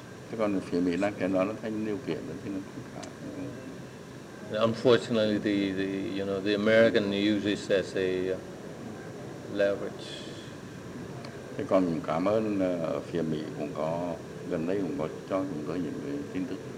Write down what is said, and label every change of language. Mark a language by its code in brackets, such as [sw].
[vi] Thế còn phía Mỹ đang kiện đó là thành điều kiện đó thì nó không khác. [en] Unfortunately, the the American uses as a leverage. [vi] Thế còn cảm ơn phía Mỹ cũng có gần đây cũng có cho chúng tôi những cái tin tức.